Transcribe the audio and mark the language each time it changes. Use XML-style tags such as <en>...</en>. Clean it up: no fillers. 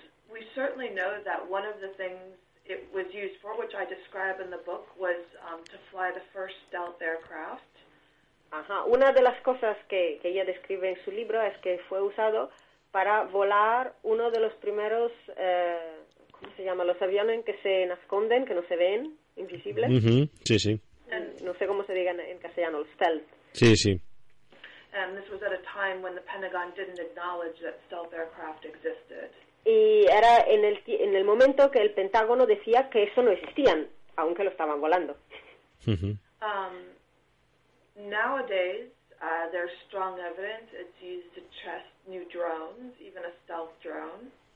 <en>We certainly know that one of the things it was used for, which I describe in the book, was to fly the first stealth aircraft. Ajá.</en> <es>Una de las cosas que ella describe en su libro es que fue usado para volar uno de los primeros, ¿cómo se llama? Los aviones que se esconden, que no se ven, invisibles. Mm-hmm. Sí, sí. No sé cómo se diga en castellano, stealth. Sí, sí.</es> <en>And this was at a time when the Pentagon didn't acknowledge that stealth aircraft existed.</en> <es>Y era en el momento que el Pentágono decía que eso no existían, aunque lo estaban volando. Mm-hmm.</es> <en>Nowadays, there's strong evidence it's used to test new drones, even a stealth drone.</en>